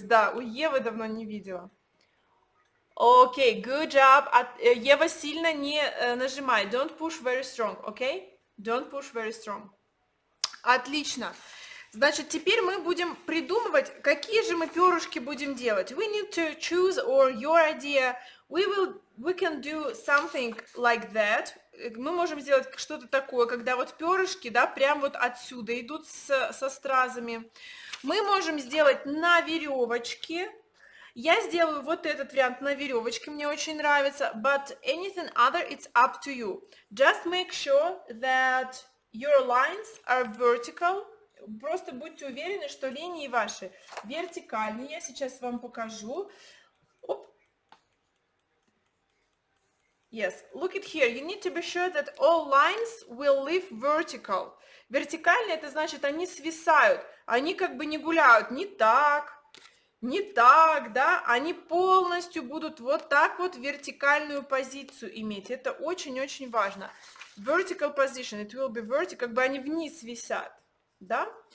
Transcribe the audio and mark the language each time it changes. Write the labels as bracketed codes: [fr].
[ru] Да, у Евы давно не видела. Окей, [en] good job. [ru] Ева, сильно не нажимай. [en] Don't push very strong, окей? Okay? Don't push very strong. [ru] Отлично. Значит, теперь мы будем придумывать, какие же мы перышки будем делать. [en] We need to choose or your idea. We can do something like that. [ru] мы можем сделать что-то такое, когда вот перышки, да, прям вот отсюда идут со стразами. Мы можем сделать на веревочке. Я сделаю вот этот вариант на веревочке, мне очень нравится. [en] But anything other, it's up to you. Just make sure that your lines are vertical. [ru] Просто будьте уверены, что линии ваши вертикальные. Я сейчас вам покажу. Оп. [en] Yes, look at here. You need to be sure that all lines will leave vertical. [ru] Вертикальные, это значит, они свисают. Они как бы не гуляют. Не так. Не так, да? Они полностью будут вот так вот вертикальную позицию иметь. Это очень-очень важно. [en] Vertical position. It will be vertical. [ru] Как бы они вниз висят. Да?